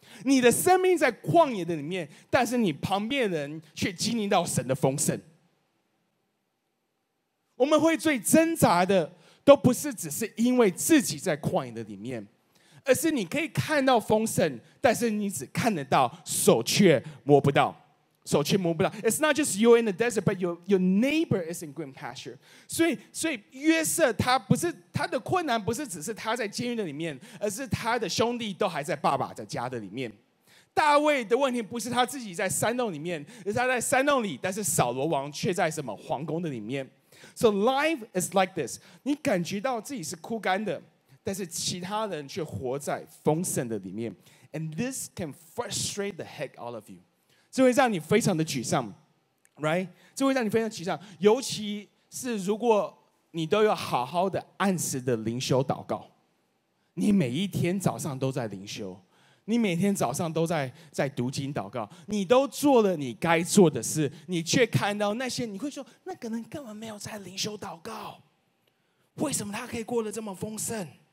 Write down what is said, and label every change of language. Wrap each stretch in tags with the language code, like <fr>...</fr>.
<zh>你的生命在旷野的里面，但是你旁边的人却经历到神的丰盛。我们会最挣扎的都不是只是因为自己在旷野的里面，而是你可以看到丰盛，但是你只看得到，手却摸不到，手却摸不到。</zh> <en>It's not just you in the desert, but your neighbor is in green pasture.</en> <zh>所以约瑟他不是他的困难不是只是他在监狱的里面，而是他的兄弟都还在爸爸的家的里面。大卫的问题不是他自己在山洞里面，而是他在山洞里，但是扫罗王却在什么皇宫的里面。</zh> <en>So life is like this.</en> <zh>你感觉到自己是枯干的，但是其他人却活在丰盛的里面。</zh> <en>And this can frustrate the heck out of you.</en> <zh>这会让你非常的沮丧 ，right? 这会让你非常沮丧，尤其是如果你都有好好的按时的灵修祷告，你每一天早上都在灵修，你每天早上都在读经祷告，你都做了你该做的事，你却看到那些，你会说那个人根本没有在灵修祷告，为什么他可以过得这么丰盛？</zh>